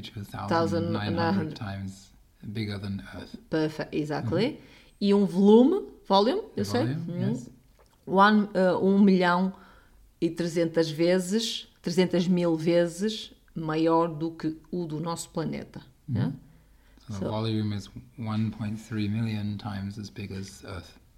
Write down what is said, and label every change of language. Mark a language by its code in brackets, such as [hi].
[en] 332,900 times bigger than Earth. Perfect, exactly. [pt] Mm. E volume, eu sei. Volume, [en] yes. [pt] 1,300 mil vezes maior do que o do nosso planeta. Mm-hmm. [en] Yeah? So, volume is 1.3 million times as big as Earth.